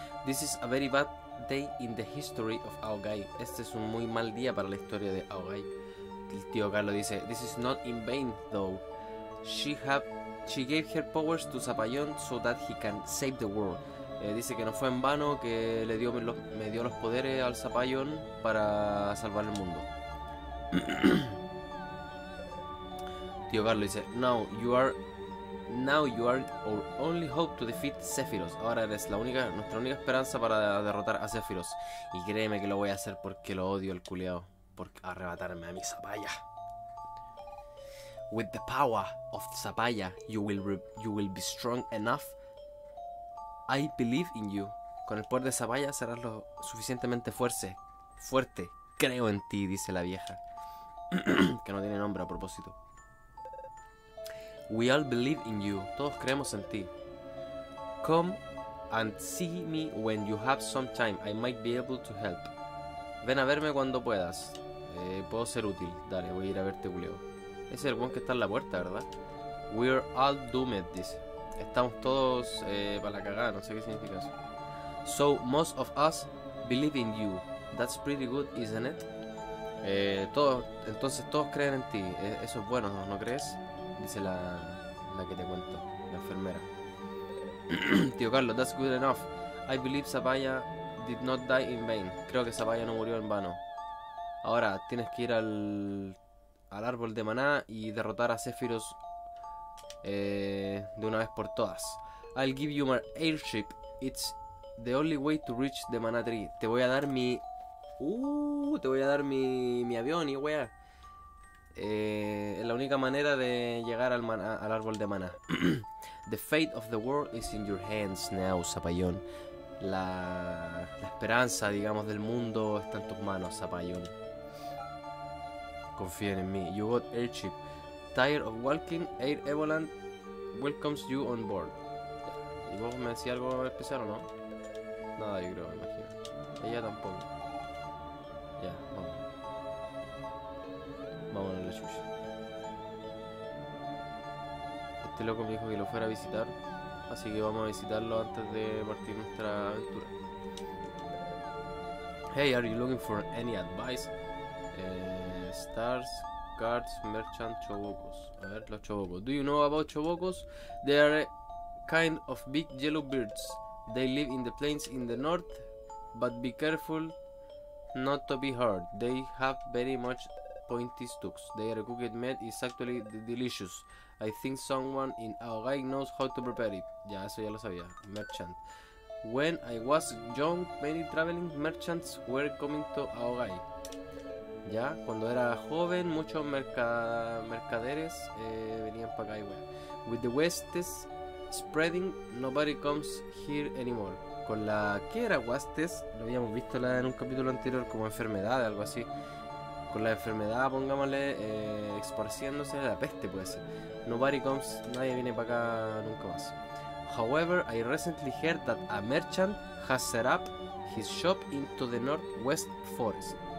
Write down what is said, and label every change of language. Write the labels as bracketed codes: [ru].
[en] This is a very bad day in the history of Aogai. [es] Este es un muy mal día para la historia de Aogai. El tío Carlos dice, [en] this is not in vain though. She gave her powers to Zapallón so that he can save the world. [es] Dice que no fue en vano, que le dio me dio los poderes al Zapallón para salvar el mundo. Tío Carlos dice, [en] Now you are our only hope to defeat Sephiroth. [es] Ahora eres nuestra única esperanza para derrotar a Sephiroth. Y créeme que lo voy a hacer porque lo odio el culiao. Por arrebatarme a mi Zapalla. [en] With the power of Zapalla, you will be strong enough. I believe in you. [es] Con el poder de Zapalla serás lo suficientemente fuerte. Creo en ti, dice la vieja. Que no tiene nombre a propósito. [en] We all believe in you. [es] Todos creemos en ti. [en] Come and see me when you have some time. I might be able to help. [es] Ven a verme cuando puedas. Puedo ser útil. Dale, voy a ir a verte, culeo. Ese es el buen que está en la puerta, ¿verdad? [en] We're all doomed, [es] dice. Estamos todos para la cagada. No sé qué significa eso. [en] So most of us believe in you. That's pretty good, isn't it? [es] Entonces todos creen en ti. Eso es bueno, ¿no crees? Dice la que te cuento, la enfermera. Tío Carlos, [en] that's good enough. I believe Zapalla did not die in vain. [es] Creo que Zapalla no murió en vano. Ahora tienes que ir al árbol de maná y derrotar a Sephiroth de una vez por todas. [en] I'll give you my airship. It's the only way to reach the maná tree. [es] Te voy a dar mi... Te voy a dar mi avión y weá. Es la única manera de llegar al árbol de maná. [en] The fate of the world is in your hands now, Zapallón. [es] La esperanza, digamos, del mundo está en tus manos, Zapallón. Confíen en mí. [en] You got airship. Tired of walking, Air Evoland welcomes you on board. [es] ¿Y vos me decís algo especial o no? Nada, yo creo, me imagino. Ella tampoco. Ya, vamos. Vamos a la chucha. Este loco me dijo que lo fuera a visitar, así que vamos a visitarlo antes de partir nuestra aventura. [en] Hey, are you looking for any advice? Stars, cards, merchant, chobocos. [es] A ver, los chobocos. [en] Do you know about chobocos? They are a kind of big yellow birds. They live in the plains in the north, but be careful not to be hurt. They have very much pointy stooks. Their cooked meat is actually delicious. I think someone in Aogai knows how to prepare it. [es] Ya, eso ya lo sabía. [en] Merchant. When I was young, many traveling merchants were coming to Aogai. [es] Ya, cuando era joven, muchos mercaderes venían para acá y bueno. [en] With the huestes spreading, nobody comes here anymore. [es] Con la... ¿Qué era huestes? Lo habíamos visto en un capítulo anterior como enfermedad o algo así. Con la enfermedad, pongámosle, esparciéndose, la peste puede ser. [en] Nobody comes, [es] nadie viene para acá nunca más. [en] However, I recently heard that a merchant has set up his shop into the northwest forest.